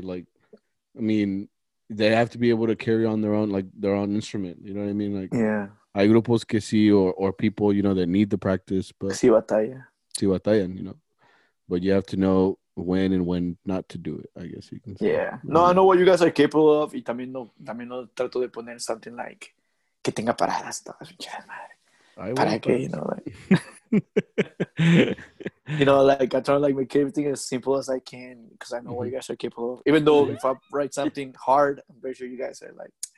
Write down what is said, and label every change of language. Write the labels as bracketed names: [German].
[English] Like, I mean, they have to be able to carry on their own, like their own instrument. You know what I mean? Like, yeah. [Spanish] Hay grupos que sí, [English] or people, you know, that need the practice, but [Spanish] sí batalla. Sí batalla, [English] you know, but you have to know when and when not to do it. I guess you can say. Yeah. No, yeah. I know what you guys are capable of. [Spanish] Y también no trato de poner [English] something like [Spanish] que tenga paradas, todas, madre. Para que, [English] you know, like. You know, like I try to like make everything as simple as I can because I know mm-hmm. what you guys are capable of. Even though if I write something hard, I'm very sure you guys are like,